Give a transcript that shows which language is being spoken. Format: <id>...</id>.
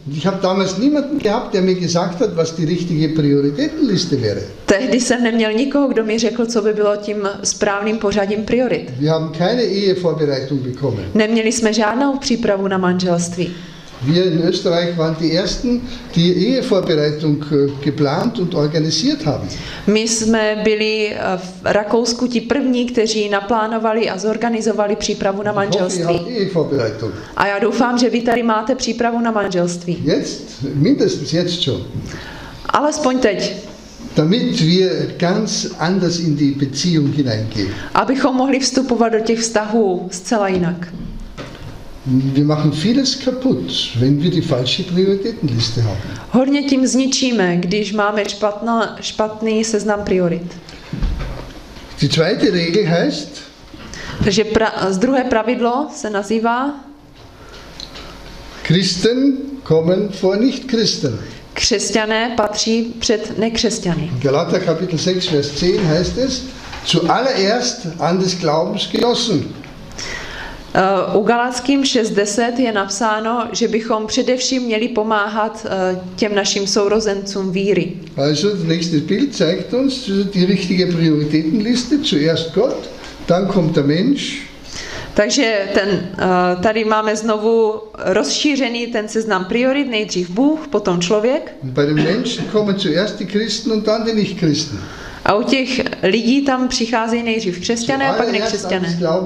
<de>Ich habe damals niemanden gehabt, der mir gesagt hat, was die richtige Prioritätenliste wäre.</de> <cs>Tehdy jsem neměl nikoho, kdo mi řekl, co by bylo tím správným pořadím priorit.</cs> <de>Wir haben keine Ehevorbereitung bekommen.</de> <cs>Neměli jsme žádnou přípravu na manželství.</cs> <de>Wir in Österreich waren die ersten, die Ehevorbereitung geplant und organisiert haben.</de> <cs>My jsme byli v Rakousku ti první, kteří naplánovali a zorganizovali přípravu na manželství. A já doufám, že vy tady máte přípravu na manželství.</cs> <de>Jetzt, mindestens jetzt schon.</de> <cs>Alespoň teď.</cs> <de>Damit wir ganz anders in die Beziehung hineingehen.</de> <cs>Abychom mohli vstupovat do těch vztahů zcela jinak.</cs> <de>Wir machen vieles kaputt, wenn wir die falsche Prioritätenliste haben.</de> <cs>Hodně tím zničíme, když máme špatný seznam priorit.</cs> <de>Die zweite Regel heißt.</de> <cs>Takže druhé pravidlo se nazývá.</cs> <de>Christen kommen vor Nichtchristen.</de> <cs>Křesťané patří před nekřesťany.</cs> <de>Galater Kapitel 6 Vers 10 heißt es: Zuallererst an des Glaubens genossen.</de> <cs>U Galatským 6:10 je napsáno, že bychom především měli pomáhat těm našim sourozencům víry.</cs> <de>Also, das nächste Bild zeigt uns die richtige Prioritätenliste, zuerst Gott, dann kommt der Mensch.</de> <cs>Takže ten, tady máme znovu rozšířený ten seznam priorit, nejdřív Bůh, potom člověk.</cs> <de>Bei den Menschen kommen zuerst die Christen und dann die Nichtchristen.</de> <cs>A u těch lidí tam přicházejí nejdřív křesťané, pak nekřesťané.</cs>